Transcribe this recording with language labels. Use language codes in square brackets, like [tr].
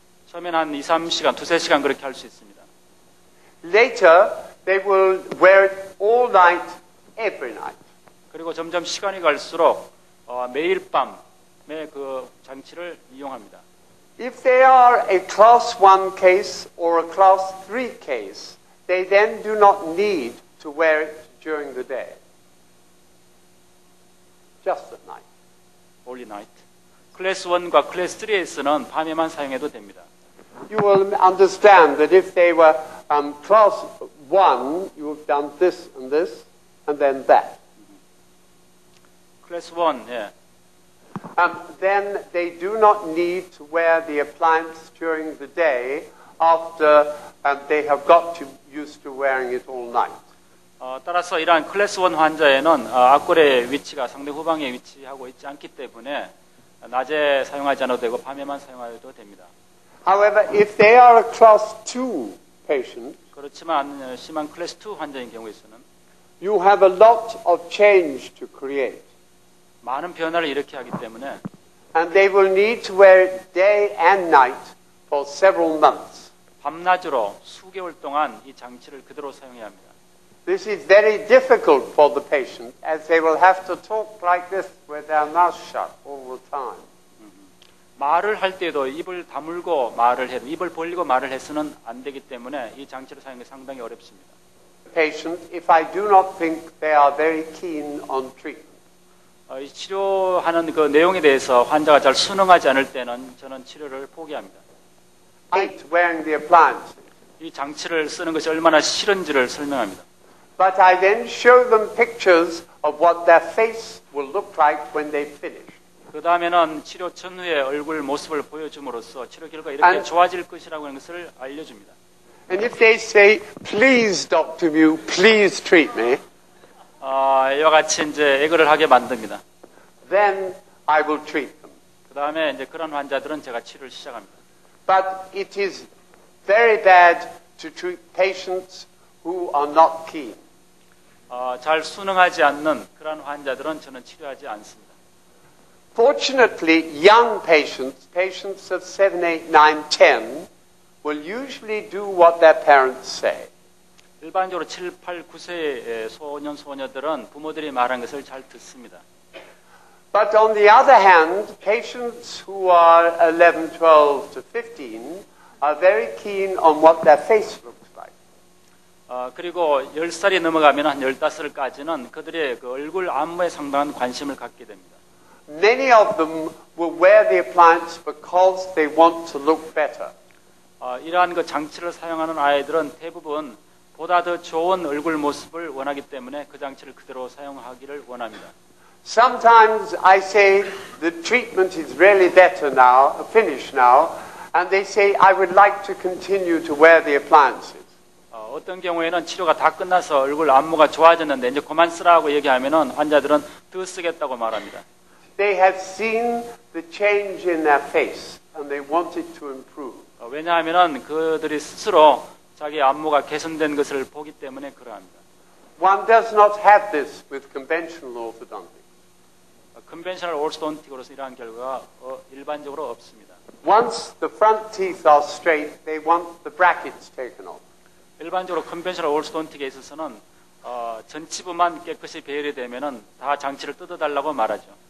[ko] 처음엔 한 2, 3시간, 2, 3시간 그렇게 할 수 있습니다. [en] Later they will wear it all night every night. [ko] 그리고 점점 시간이 갈수록 매일 밤 매 그 장치를 이용합니다. [en] If they are a class 1 case or a class 3 case, they then do not need to wear it during the day. Just at night. Only night. [ko] 클래스 1과 클래스 3에서는 밤에만 사용해도 됩니다. [en] You will understand that if they were class 1, you have done this and this and then that. [ko] 클래스 1, 예. [en] Then they do not need to wear the appliance during the day after they have got to used to wearing it all night. [ko] 따라서 이러한 클래스 1 환자에는 앞골의 위치가 상대 후방에 위치하고 있지 않기 때문에 낮에 사용하지 않아도 되고 밤에만 사용해도 됩니다. [en] However, if they are a class 2 patient, [ko] 그렇지만 심한 클래스 2 환자인 경우에서는 [en] you have a lot of change to create. [ko] 많은 변화를 일으켜 하기 때문에 [en] and they will need to wear it day and night for several months. [ko] 밤낮으로 수개월 동안 이 장치를 그대로 사용해야 합니다. [en] This is very difficult for the patient as they will have to talk like this with their mouth shut all the time. [ko] 말을 할 때도 입을 다물고 말을 해도 입을 벌리고 말을 해서는 안 되기 때문에 이 장치를 사용하기 상당히 어렵습니다. [en] patient if I do not think they are very keen on treatment. [ko] 이 치료하는 그 내용에 대해서 환자가 잘 순응하지 않을 때는 저는 치료를 포기합니다. [en] Hate wearing the appliance. [ko] 이 장치를 쓰는 것이 얼마나 싫은지를 설명합니다. [en] But I then show them pictures of what their face will look like when they finish. [ko] 그 다음에는 치료 전후의 얼굴 모습을 보여줌으로써 치료 결과 이렇게 [en] and [ko] 좋아질 것이라고 하는 것을 알려줍니다. [en] And if they say, please, Dr. Mu, please treat me. [ko] 이와 같이 이제 애교를 하게 만듭니다. [en] Then I will treat them. [ko] 그 다음에 이제 그런 환자들은 제가 치료를 시작합니다. [en] But it is very bad to treat patients who are not keen. [ko] 잘 순응하지 않는 그런 환자들은 저는 치료하지 않습니다. [en] Fortunately, young patients, patients of 7, 8, 9, 10, will usually do what their parents say. [ko] 일반적으로 7, 8, 9세의 소년, 소녀들은 부모들이 말한 것을 잘 듣습니다. [en] But on the other hand, patients who are 11, 12 to 15 are very keen on what their face looks like. [ko] 그리고 10살이 넘어가면 한 15살까지는 그들의 그 얼굴 안무에 상당한 관심을 갖게 됩니다. [en] Many of them will wear the appliance because they want to look better. [ko] 이러한 그 장치를 사용하는 아이들은 대부분 보다 더 좋은 얼굴 모습을 원하기 때문에 그 장치를 그대로 사용하기를 원합니다. [en] Sometimes I say the treatment is really better now, finished now, and they say I would like to continue to wear the appliances. [ko] 어떤 경우에는 치료가 다 끝나서 얼굴 안무가 좋아졌는데 이제 그만 쓰라고 얘기하면은 환자들은 더 쓰겠다고 말합니다. [en] They have seen the change in their face and they want it to improve. [ko] 왜냐하면 그들이 스스로 자기 안무가 개선된 것을 보기 때문에 그러합니다. [en] One does not have this with conventional orthodontics. [ko] Conventional orthodontics으로서 이러한 결과가 일반적으로 없습니다. [en] Once the front teeth are straight, they want the brackets taken off. [ko] 일반적으로 conventional orthodontics에 있어서는 전치부만 깨끗이 배열이 되면은 다 장치를 뜯어달라고 말하죠.